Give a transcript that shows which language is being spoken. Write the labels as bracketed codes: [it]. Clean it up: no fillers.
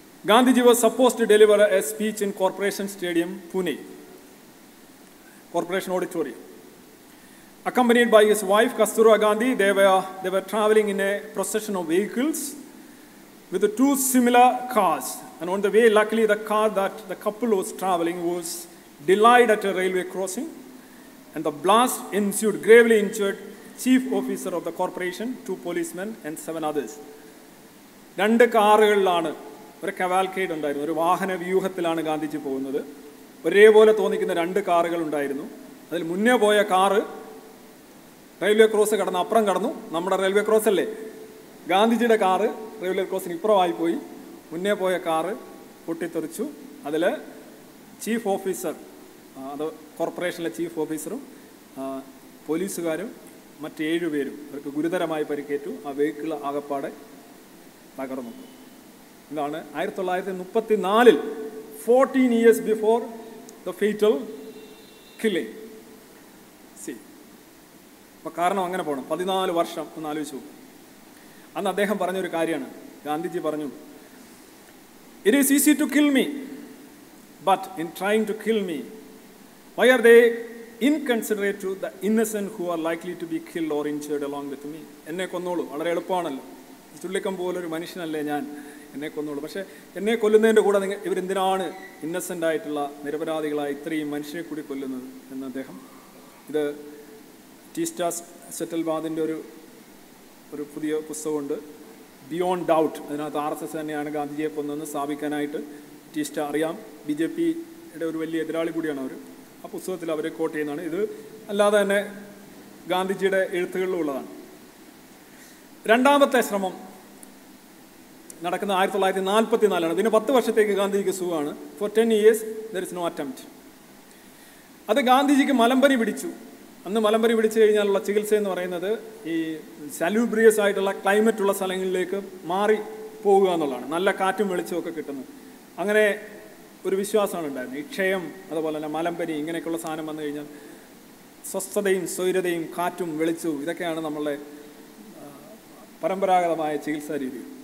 [en] Gandhiji was supposed to deliver a speech in corporation stadium Pune, corporation auditorium. Accompanied by his wife Kastur Gandhi, they were travelling in a procession of vehicles with 2 similar cars. And on the way, luckily the car that the couple was traveling was delayed at a railway crossing, and the blast ensued, gravely injured chief officer of the corporation, 2 policemen and 7 others. [ml] രണ്ട് കാറുകളിലാണ്, ഒരു കവാൽക്കേഡ് ഉണ്ടായിരുന്നു, ഒരു വാഹന വ്യൂഹത്തിലാണ് ഗാന്ധിജി പോകുന്നത്. ഒരേപോലെ തോന്നിക്കുന്ന രണ്ട് കാറുകൾ ഉണ്ടായിരുന്നു. അതിൽ മുന്നേ പോയ കാറ് റെയിൽവേ ക്രോസ് കടന്ന് അപ്പുറം കടന്നു. നമ്മുടെ റെയിൽവേ ക്രോസ് അല്ലേ, ഗാന്ധിജിയുടെ കാറ് റെയിൽവേ ക്രോസിന് ഇപ്പുറമായി പോയി. മുന്നേ പോയ കാറ് പൊട്ടിത്തെറിച്ചു. അതിൽ ചീഫ് ഓഫീസർ, അത് കോർപ്പറേഷനിലെ ചീഫ് ഓഫീസറും പോലീസുകാരും മറ്റ് 7 പേരും, അവർക്ക് ഗുരുതരമായി പരിക്കേറ്റു. ആ വെഹിക്കിൾ ആകപ്പാടെ തകർന്നു. ഇതാണ് 1934, [en] 14 years before the fatal killing. [ml] C, അപ്പോൾ കാരണം അങ്ങനെ പോകണം. 14 വർഷം ഒന്ന് ആലോചിച്ചു. അന്ന് അദ്ദേഹം പറഞ്ഞൊരു കാര്യമാണ്, ഗാന്ധിജി പറഞ്ഞു, [en] "It is easy to kill me, but in trying to kill me, why are they inconsiderate to the innocent who are likely to be killed or injured along with me?" [ml] എന്നെ കൊന്നോളൂ, വളരെ എളുപ്പമാണല്ലോ, ചുള്ളിക്കം പോലൊരു മനുഷ്യനല്ലേ ഞാൻ, എന്നെ കൊന്നോളൂ. പക്ഷേ എന്നെ കൊല്ലുന്നതിൻ്റെ കൂടെ നിങ്ങൾ ഇവരെന്തിനാണ് ഇന്നസെൻ്റ് ആയിട്ടുള്ള നിരപരാധികളായി ഇത്രയും മനുഷ്യരെ കൂടി കൊല്ലുന്നത് എന്ന് അദ്ദേഹം. ഇത് ടീസ്റ്റാസ് സെറ്റൽബാദിൻ്റെ ഒരു പുതിയ പുസ്തകമുണ്ട്, ബിയോണ്ട് ഡൗട്ട്. അതിനകത്ത് RSS തന്നെയാണ് ഗാന്ധിജിയെ കൊന്നതെന്ന് സ്ഥാപിക്കാനായിട്ട് ടീസ്റ്റ അറിയാം. BJPയുടെ ഒരു വലിയ എതിരാളി കൂടിയാണ് അവർ. ആ പുസ്തകത്തിൽ അവരെ കോട്ട് ചെയ്യുന്നതാണ്. ഇത് അല്ലാതെ തന്നെ ഗാന്ധിജിയുടെ എഴുത്തുകളിലുള്ളതാണ്. രണ്ടാമത്തെ ശ്രമം നടക്കുന്നത് 1944. പിന്നെ 10 വർഷത്തേക്ക് ഗാന്ധിജിക്ക് സുഖമാണ്. [en] For 10 years there is no attempt. [ml] അത് ഗാന്ധിജിക്ക് മലമ്പനി പിടിച്ചു. അന്ന് മലമ്പനി പിടിച്ചു കഴിഞ്ഞാലുള്ള ചികിത്സ എന്ന് പറയുന്നത് ഈ സലൂബ്രിയസ് ആയിട്ടുള്ള ക്ലൈമറ്റ് ഉള്ള സ്ഥലങ്ങളിലേക്ക് മാറി പോവുക എന്നുള്ളതാണ്. നല്ല കാറ്റും വെളിച്ചവും ഒക്കെ കിട്ടുന്നു, അങ്ങനെ ഒരു വിശ്വാസമാണ് ഉണ്ടായിരുന്നത്. ഈ ക്ഷയം, അതുപോലെ തന്നെ മലമ്പനി, ഇങ്ങനെയൊക്കെയുള്ള സാധനം വന്നു കഴിഞ്ഞാൽ സ്വസ്ഥതയും സ്വൈരതയും കാറ്റും വെളിച്ചവും ഇതൊക്കെയാണ് നമ്മളുടെ പരമ്പരാഗതമായ ചികിത്സാ രീതി.